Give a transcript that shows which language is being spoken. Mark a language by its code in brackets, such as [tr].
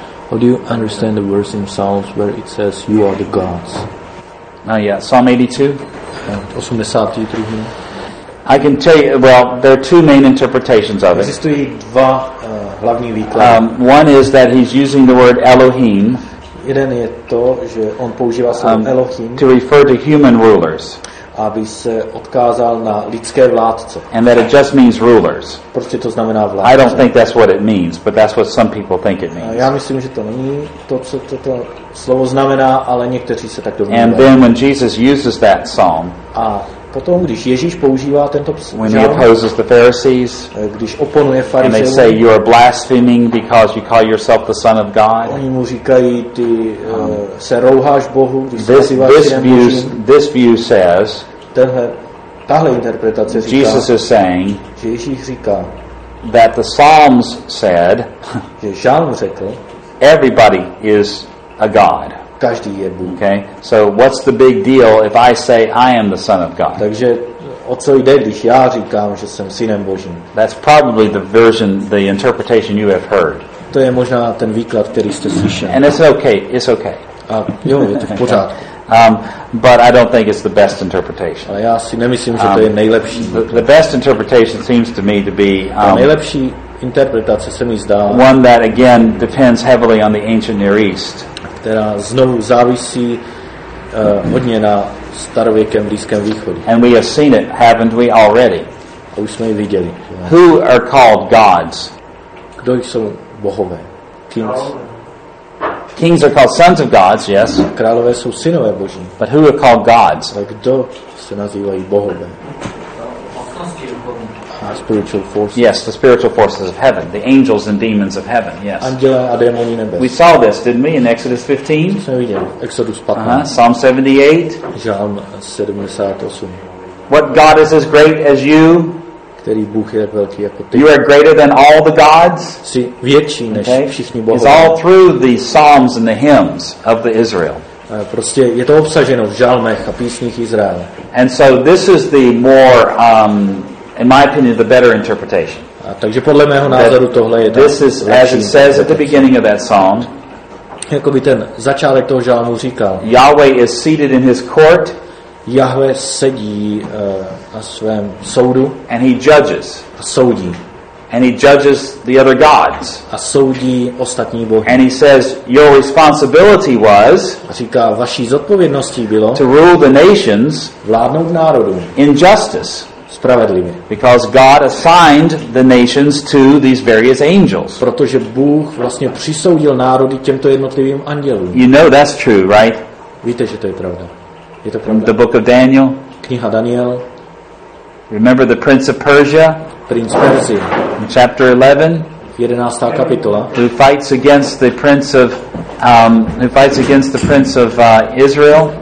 [en] How do you understand the verse in Psalms where it says you are the gods? Yeah, Psalm 82. 82. I can tell you, well, there are two main interpretations of it. One is that he's using the word Elohim. [cs] Jeden je to, že on používá slovo Elohim [en] to refer to human rulers. [cs] Aby se odkázal na lidské vládce. [en] And that it just means rulers. [cs] Prostě to znamená vládce. [en] I don't think that's what it means, but that's what some people think it means. [cs] Já myslím, že to není to, co toto slovo znamená, ale někteří se tak domnívají. [en] And then when Jesus uses that psalm, [cs] a potom, když Ježíš používá tento psalm, [en] when he opposes the Pharisees, [cs] když oponuje farizeům, [en] and they say you are blaspheming because you call yourself the Son of God, [cs] oni mu říkají, ty se rouháš Bohu, když [en] this view says, [cs] tahle interpretace říká, [en] Jesus is saying, [cs] že Ježíš říká, [en] that the Psalms said, [cs] že žalm řekl, [en] everybody is a god. [cs] Každý je Bůh. [en] Okay. So what's the big deal if I say I am the Son of God? [cs] Takže o co jde, když já říkám, že jsem synem Božím? [en] That's probably the version, the interpretation you have heard. [cs] To je možná ten výklad, který jste slyšeli. [en] And it's okay. [cs] A jo, je to v pořádku. [en] But I don't think it's the best interpretation. [cs] Ale já si nemyslím, že to je nejlepší. [en] The best interpretation seems to me to be [cs] nejlepší interpretace se mi zdá. [en] One that again depends heavily on the ancient Near East. [cs] Která znovu závisí hodně na starověkém Blízkém východu. [en] And we have seen it, haven't we already? [cs] A už jsme ji viděli. [en] Who are called gods? [cs] Kdo jsou bohové? [en] Kings. Kings are called sons of gods, yes. [cs] Králové jsou synové boží. [en] But who are called gods? [cs] A kdo se nazývají bohové? [en] Spiritual forces. Yes, the spiritual forces of heaven, the angels and demons of heaven. Yes. [cs] Anděle a démoni nebes. [en] We saw this, didn't we, in Exodus 15? [cs] Jsme viděli. Exodus 15. [en] Psalm 78. [cs] Žalm 78. [en] What god is as great as you? [cs] Který Bůh je velký jako ty. [en] You are greater than all the gods. [cs] Jsi větší než všichni bohové. [en] It's all through the psalms and the hymns of the Israel. [cs] Prostě je to obsaženo v žalmech a písních Izraele. [en] And so this is the more in my opinion, the better interpretation. [cs] Takže podle mého názoru tohle je [en] this is as it says at the beginning of that psalm. [cs] Jakoby ten začátek toho žalmu říkal. [en] Yahweh is seated in his court. [cs] Yahweh sedí na svém soudu. [en] And he judges. [cs] A soudí. [en] And he judges the other gods. [cs] A soudí ostatní bohy. [en] And he says, your responsibility was. [cs] A říká, vaší zodpovědností bylo. [en] To rule the nations. [cs] Vládnout národům. [en] In justice. [cs] Spravedlivě. [en] Because God assigned the nations to these various angels. [cs] Protože Bůh vlastně přisoudil národy těmto jednotlivým andělům. [en] You know that's true, right? [cs] Víte, že to je pravda. Je to pravda. [en] The book of Daniel. [cs] Kniha Daniel. [en] Remember the prince of Persia? [cs] Prince Persie. [en] In chapter 11. [cs] 11. kapitola. [en] Who fights against the prince of Israel?